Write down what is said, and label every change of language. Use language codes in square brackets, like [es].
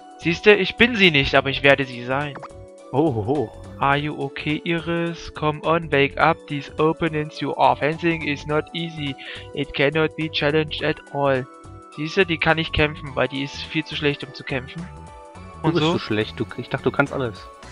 [de] Siehste, ich bin sie nicht, aber ich werde sie sein. Oh ho ho. [en] Are you okay, Iris? Come on, wake up. These openings you are facing is not easy. It cannot be challenged at all. [de] Siehste, die kann nicht kämpfen, weil die ist viel zu schlecht, um zu kämpfen. Und du bist so schlecht, ich dachte, du kannst alles.